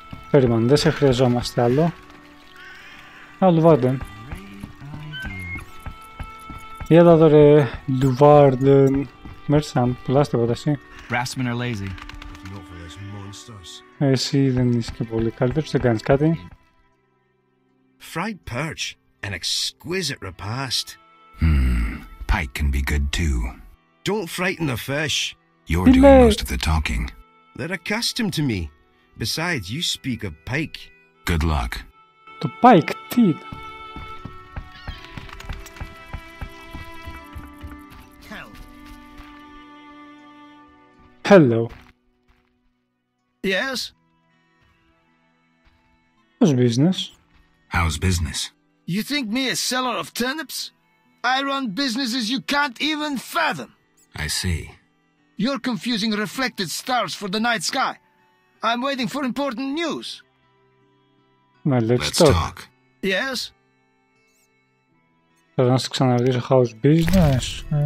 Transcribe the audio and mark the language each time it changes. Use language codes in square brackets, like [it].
[el] Περίμενε, δεν σε χρειαζόμαστε άλλο. Λουβάρντεν. Για τα δωρε, Λουβάρντεν. Μέρσαν, πουλάς τίποτα εσύ. [en] Rassmen are lazy. [el] Εσύ δεν είσαι και πολύ καλύτερος, δεν κάνεις κάτι. [en] Fried perch, an exquisite repast. Pike can be good too. Don't frighten the fish. You're doing most of the talking. They're accustomed to me. Besides, you speak of pike. Good luck. The pike, teeth. Hello. Yes? How's business? How's business? You think me a seller of turnips? I run businesses you can't even fathom. I see. You're confusing reflected stars for the night sky. I'm waiting for important news. Well, let's talk. Yes? [el] Θέλω να σας ξαναρωτήσω, [en] how's business?